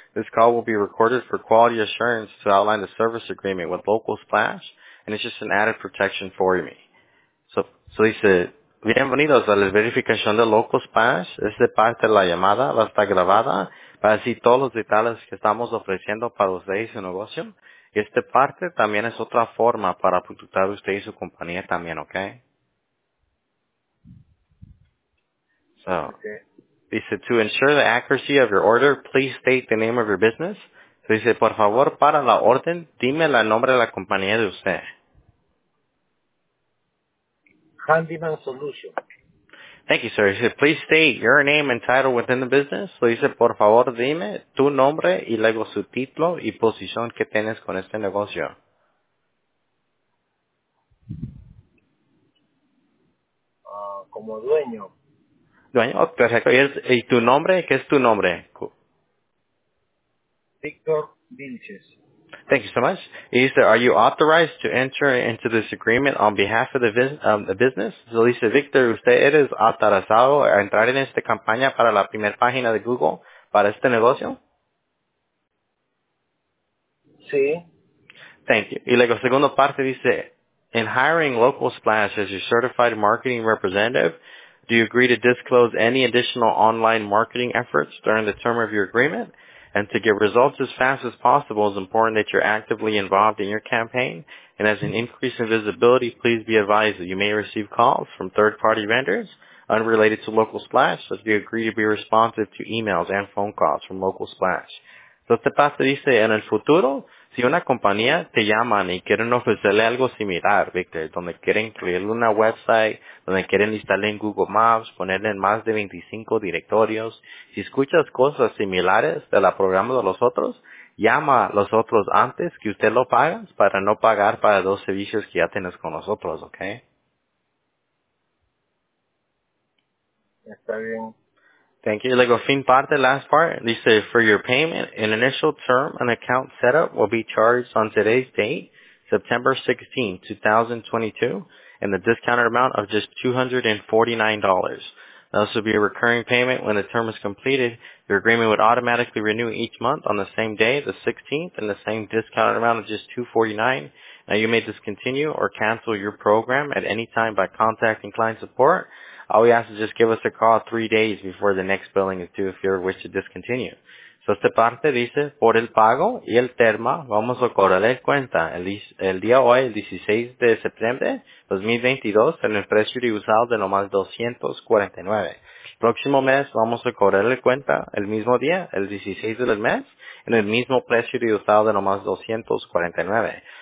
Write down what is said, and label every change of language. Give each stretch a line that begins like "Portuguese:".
English: This call will be recorded for quality assurance to outline the service agreement with Local Splash, and it's just an added protection for me.
Spanish: So dice, bienvenidos a la verificación de Local Splash. Esta parte de la llamada va a estar grabada para decir todos los detalles que estamos ofreciendo para ustedes y su negocio. Y esta parte también es otra forma para protegerusted y su compañía también, ¿ok?
English: So, okay. Dice, to ensure the accuracy of your order, please state the name of your business.
Spanish: So, dice, por favor, para la orden, dime el nombre de la compañía de usted.
English: Handyman Solution. Thank you, sir. Dice, please state your name and title within the business.
Spanish: So, dice, por favor, dime tu nombre y luego su título y posición que tienes con este negocio. Como dueño. Dueño, oh, perfecto. ¿Y tu nombre? ¿Qué es tu nombre? Victor Vilches.
English: Thank you so much.
Spanish: Y dice,
English: are you authorized to enter into this agreement on behalf of the business?
Spanish: So dice, Victor, ¿usted eres autorizado a entrar en esta campaña para la primera página de Google para este negocio? Sí.
English: Thank you.
Spanish: Y luego, segunda parte dice,
English: in hiring Local Splash as your certified marketing representative, do you agree to disclose any additional online marketing efforts during the term of your agreement? And to get results as fast as possible, it's important that you're actively involved in your campaign. And as an increase in visibility, please be advised that you may receive calls from third-party vendors unrelated to Local Splash, so you agree to be responsive to emails and phone calls from Local Splash.
Spanish: So, este paso dice, en el futuro, si una compañía te llama y quieren ofrecerle algo similar, Victor, donde quieren incluir una website, donde quieren instalarle en Google Maps, ponerle en más de 25 directorios, si escuchas cosas similares de la programa de los otros, llama a los otros antes que usted lo pague para no pagar para dos servicios que ya tienes con nosotros, ¿ok? Está bien.
English: Thank you. Like a fin parte, last part, they say, for your payment, an initial term and account setup will be charged on today's date, September 16, 2022, and the discounted amount of just $249. This will be a recurring payment when the term is completed. Your agreement would automatically renew each month on the same day, the 16th, and the same discounted amount of just $249. Now, you may discontinue or cancel your program at any time by contacting client support. All we ask is just give us a call 3 days before the next billing is due if you wish to discontinue.
Spanish: So, esta parte dice, por el pago y el termo, vamos a cobrarle cuenta el día hoy, el 16 de septiembre 2022, en el precio de usado de nomás $249. Próximo mes, vamos a cobrarle cuenta el mismo día, el 16 del mes, en el mismo precio de usado de nomás $249.